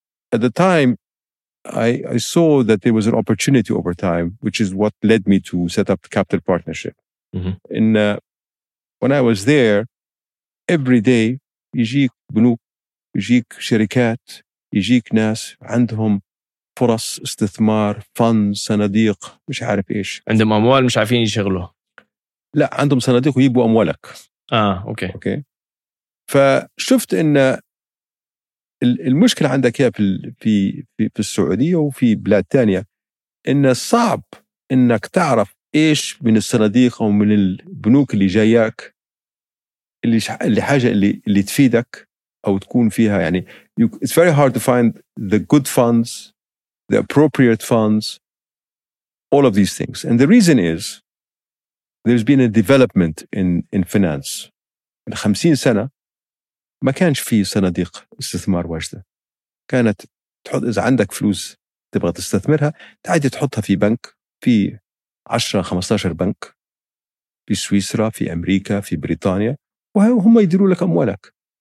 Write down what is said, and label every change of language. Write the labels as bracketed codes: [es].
[en] At the time, I saw that there was an opportunity over time, which is what led me to set up the Capital Partnership. Mm-hmm. And when I was there, every day [ar] يجيك بنوك، يجيك شركات، يجيك ناس عندهم فرص استثمار، فن، صناديق، مش عارف إيش. عندهم أموال مش عارفين يشغلوا. لا، عندهم صناديق ويبوا أموالك. [en] Okay. Okay. [ar] فشفت إن المشكلة عندك يا في السعودية وفي بلاد تانية، إن صعب إنك تعرف إيش من الصناديق أو من البنوك اللي جاياك اللي حاجة اللي تفيدك أو تكون فيها. [en] يعني it's very hard to find the good funds, the appropriate funds, all of these things. And the reason is there's been a development in finance. [ar] من 50 سنة ما كانش في صناديق استثمار واجدة، كانت تحط إذا عندك فلوس تبغى تستثمرها تعادي تحطها في بنك، في 10-15 بنك في سويسرا، في أمريكا، في بريطانيا، وهم يديروا لك أموالك.